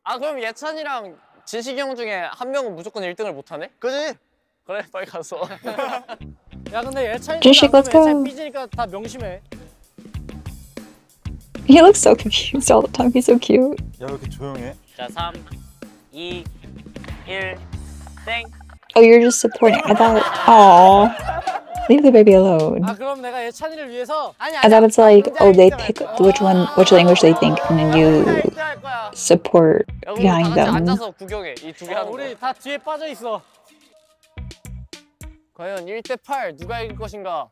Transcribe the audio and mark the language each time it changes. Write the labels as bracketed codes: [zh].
[ko] 아 그럼 예찬이랑 진식이 형 중에 한 명은 무조건 1등을 못하네? 그지? 그래 빨리 가서. 야 근데 예찬이 삐지니까 다 명심해. [en] He looks so confused all the time. He's so cute. [ko] 야 왜 이렇게 조용해? 자 3, 2, 1, 땡! [en] Oh you're just supporting Adal. Aww. Leave the baby alone. [ko] 아 그럼 내가 예찬이를 위해서. 아니 아니. [en] Adal is like, oh they pick which one, which language they think, and then you support behind them. [ko] 우리 다 앉아서 구경해. 이 두 개 하는 거. 우리 다 뒤에 빠져 있어. 과연 1대 8 누가 이길 것인가?